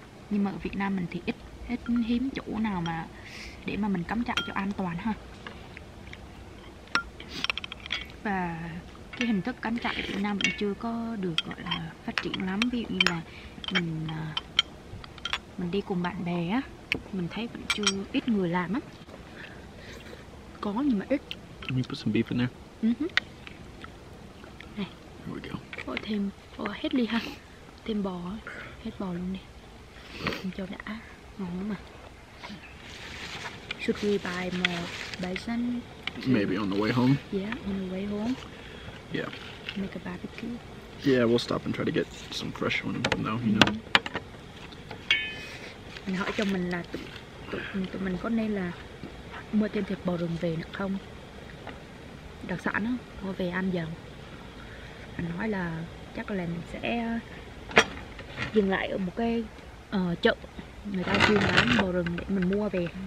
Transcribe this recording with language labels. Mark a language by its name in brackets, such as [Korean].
[Vietnamese] Nhưng mà ở Việt Nam mình thì ít hiếm chỗ nào mà để mà mình cắm trại cho an toàn ha. Và cái hình thức cắm trại ở Việt Nam vẫn chưa có được gọi là phát triển lắm. Ví dụ như là mình đi cùng bạn bè á, mình thấy vẫn chưa ít người làm á. Có nhưng mà ít. [English] Can you put some beef in there? [Vietnamese] Này. [English] Here we go. [Vietnamese] Oh, thêm, oh, hết ly ha. Thêm bò, hết bò luôn đi. Mình cho đã, ngon lắm mà. [English] Should we buy more bison? Maybe on the way home. Yeah, on the way home. Yeah. Make a barbecue. Yeah, we'll stop and try to get some fresh one though, you know. [Vietnamese] Mình hỏi cho mình là tụi mình có nên là mua thêm thịt bò rừng về nữa không? Đặc sản á, mua về ăn dần. Anh nói là chắc là mình sẽ dừng lại ở một cái chợ người ta chuyên bán bò rừng để mình mua về.